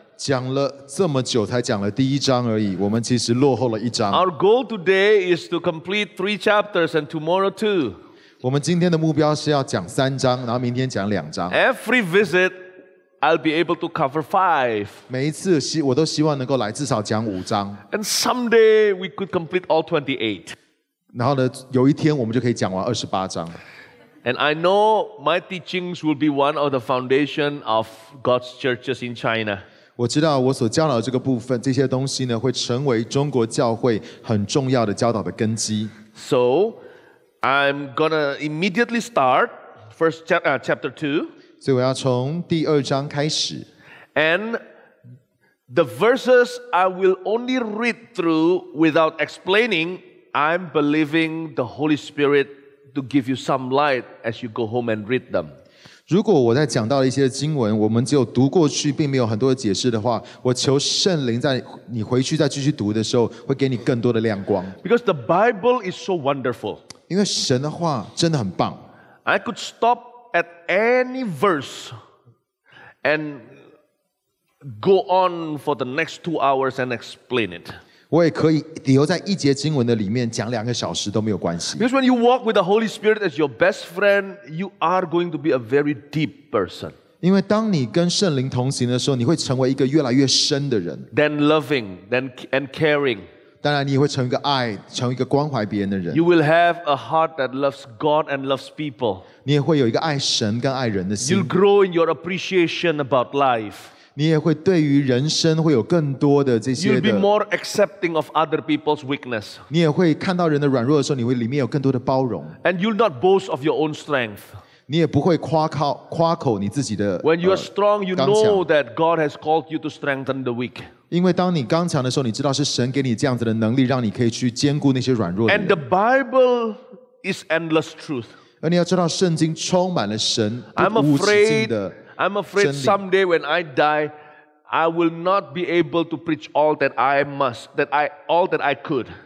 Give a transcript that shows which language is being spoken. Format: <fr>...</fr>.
<zh>讲了这么久才讲了第一章而已, 我们其实落后了一章。</zh> <en>Our goal today is to complete three chapters and tomorrow two.</en> <zh>我们今天的目标是要讲三章, 然后明天讲两章。</zh> <en>Every visit, I'll be able to cover five.</en> <zh>每一次我都希望能够来至少讲五章。</zh> <en>And someday, we could complete all 28.</en> <zh>然后呢, 有一天我们就可以讲完28章。</zh> <en>And I know my teachings will be one of the foundation of God's churches in China.</en> <zh>我知道我所教导的这个部分, 这些东西呢, 会成为中国教会很重要的教导的根基。</zh> <en>So, I'm going to immediately start first chapter 2.</en> <zh>所以我要从第二章开始。</zh> <en>And the verses I will only read through without explaining, I'm believing the Holy Spirit to give you some light as you go home and read them.</en> <zh>如果我在讲到一些经文, 我们只有读过去, 并没有很多解释的话, 我求圣灵在你回去再继续读的时候, 会给你更多的亮光。</zh> <en>Because the Bible is so wonderful.</en> <zh>因为神的话真的很棒。</zh> <en>I could stop at any verse and go on for the next 2 hours and explain it.</en> <zh>我也可以留在一节经文的里面讲两个小时都没有关系。</zh> <en>Because when you walk with the Holy Spirit as your best friend, you are going to be a very deep person.</en> <zh>因为当你跟圣灵同行的时候, 你会成为一个越来越深的人。</zh> <en>Then loving, then and caring.</en> <zh>当然你也会成为一个爱, 成为一个关怀别人的人。</zh> <en>You will have a heart that loves God and loves people.</en> <zh>你也会有一个爱神跟爱人的心。</zh> <en>You'll grow in your appreciation about life.</en> <zh>你也会对于人生会有更多的这些的,</zh> <en>You'll be more accepting of other people's weakness.</en> <zh>你也会看到人的软弱的时候, 你会里面有更多的包容。</zh> <en>And you'll not boast of your own strength.</en> <zh>你也不会夸口你自己的,</zh> <en>When you are strong, you know that God has called you to strengthen the weak.</en> <zh>因为当你刚强的时候, 你知道是神给你这样子的能力, 让你可以去兼顾那些软弱的人。</zh> <en>And the Bible is endless truth.</en> <zh>而你要知道圣经充满了神,</zh> <en>I'm afraid someday when I die, I will not be able to preach all that I must, all that I could.</en>